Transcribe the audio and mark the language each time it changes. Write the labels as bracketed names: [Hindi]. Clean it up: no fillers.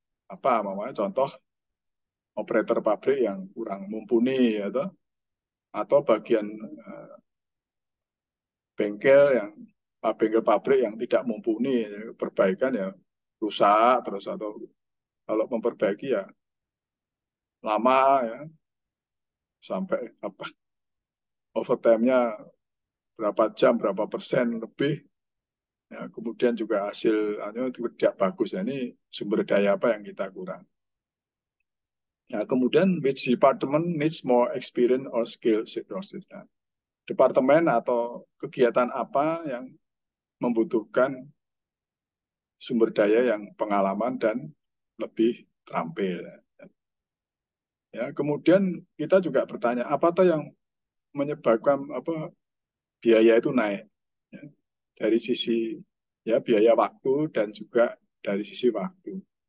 [Indonesian] Apa, mamanya contoh operator pabrik yang kurang mumpuni, atau bagian bengkel yang bengkel pabrik yang tidak mumpuni, perbaikan ya rusak terus, atau kalau memperbaiki ya lama ya sampai apa? Overtime-nya berapa jam, berapa persen lebih. Ya, kemudian juga hasilnya tidak bagus. Ya. Ini sumber daya apa yang kita kurang. Ya, kemudian, [English] which department needs more experience or skill resources? [Indonesian] Nah, departemen atau kegiatan apa yang membutuhkan sumber daya yang pengalaman dan lebih terampil. Ya, kemudian kita juga bertanya, apa tuh yang menyebabkan apa biaya itu naik ya, dari sisi ya biaya waktu dan juga dari sisi waktu.